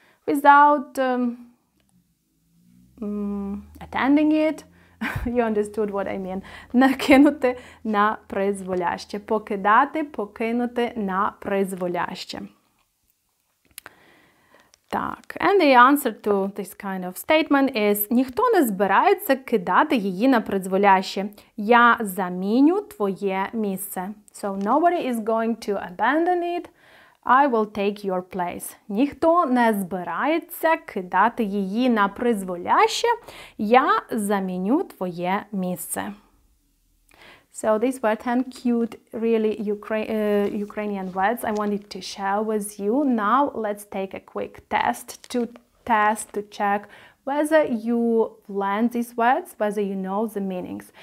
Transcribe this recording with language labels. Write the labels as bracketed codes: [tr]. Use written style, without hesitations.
[en] Without attending it. You understood what I mean. [uk] Накинути напризволяще. Покидати, покинути напризволяще. [en] Так, and the answer to this kind of statement is [uk] ніхто не збирається кидати її на призволяще. Я заміню твоє місце. [en] So nobody is going to abandon it. I will take your place. [uk] Ніхто не збирається кидати її на призволяще. Я заміню твоє місце. [en] So these were 10 cute, really Ukrainian words I wanted to share with you. Now let's take a quick test to check whether you learned these words, whether you know the meanings.